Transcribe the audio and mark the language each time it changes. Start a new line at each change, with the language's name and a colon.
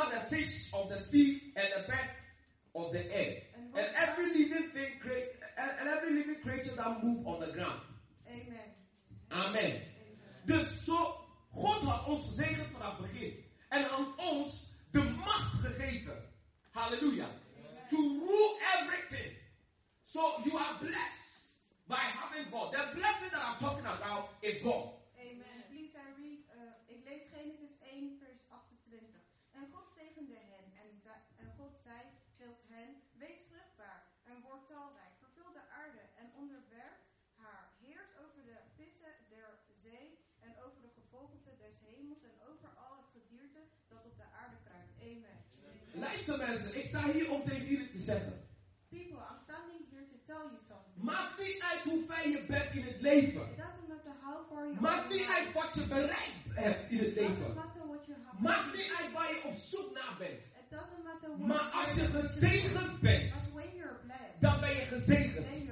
English: fish of the sea and the bird of the air. And every living thing and every living creature that move on the ground. Amen. Amen.
Dutch: Dus zo, God had ons gezegend vanaf het begin. En aan ons de macht gegeven. Halleluja.
English: To rule everything. So you are blessed by having God. The blessing that I'm talking about is God. Amen. Please, I read.
Dutch: Ik lees Genesis 1, vers 28. En God zegende hen. En God zei tot hen: wees vruchtbaar en word talrijk. Vervul de aarde en onderwerp haar. Heers over de vissen der zee. En over de gevogelte des hemels. En over al het gedierte dat op de aarde kruipt. Amen. Luister mensen, ik sta hier om tegen jullie te zeggen.
English: People, I'm standing here to tell you something.
Dutch: Maakt niet uit hoe ver je bent in het leven. Maakt niet uit wat je bereikt hebt in het leven. Maakt niet uit waar je op zoek naar bent. Maar als je gezegend bent, dan ben je gezegend.